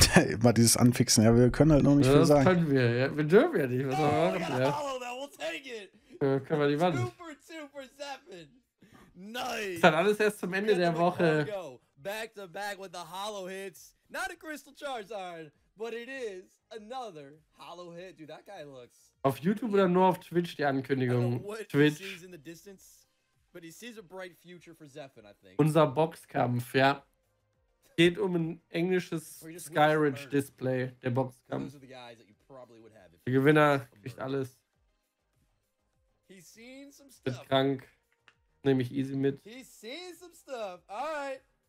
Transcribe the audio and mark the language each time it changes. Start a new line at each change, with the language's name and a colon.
German: Immer dieses Anfixen. Ja, wir können halt noch nicht das viel sagen. Das können wir. Ja. Wir dürfen ja nicht. Was wir machen, ja. Können wir die machen.
English: Super, super, seven. Nice.
German: Das ist halt alles erst zum Ende der Woche.
English: Back to back with the hollow hits. Not a crystal Charizard, but it is another hollow hit. Dude, that guy looks.
German: Auf YouTube oder nur auf Twitch die Ankündigung. Twitch.
English: He sees in the distance, but he sees a bright future for Zephyr, I think.
German: Unser Boxkampf, ja. Geht um ein englisches Skyridge Display, der Boxkampf. Der Gewinner kriegt alles. He's seen some stuff. Ist krank. Nehme ich easy mit.
English: He sees some stuff. Alright.